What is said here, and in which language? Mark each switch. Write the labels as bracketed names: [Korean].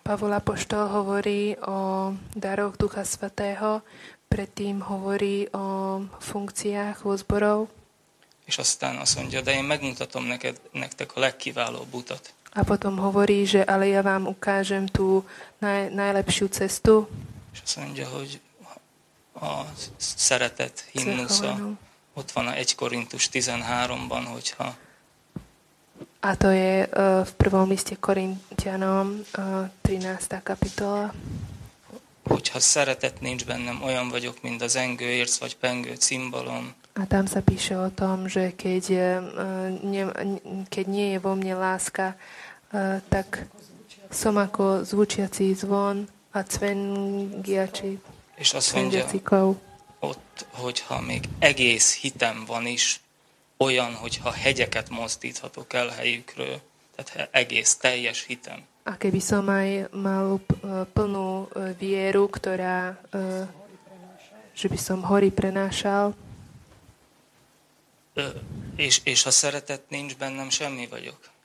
[Slovak] Pavol apoštol hovorí o daroch Ducha Svätého, predtým hovorí o funkciách vo zborov. [Hungarian] És aztán azt mondja, de én megmutatom nektek a legkiválóbb utat. [Slovak] A potom hovorí, že ale ja vám ukážem tú najlepšiu cestu. [Hungarian] És azt mondja, hogy a szeretet himnusza ott van a 1 Korintus 13-ban, hogyha... [Slovak] A to je v prvom liste Korintianom 13. kapitola. [Hungarian] Hogyha szeretet nincs bennem, olyan vagyok, mint a zengő érc vagy pengő cimbalom. [Slovak] A tam sa píše o tom, že keď nie je vo mne láska, tak som ako zvučiací zvon a cvengiači. [Hungarian] És azt mondja, ott, hogyha még egész hitem van is, olyan, hogyha hegyeket mozdíthatok el helyükről, tehát egész, teljes hitem. [Slovak] A keby som aj mal plnú vieru, ktorá, že by som hory prenášal. [Hungarian] És ha szeretet nincs bennem, semmi vagyok.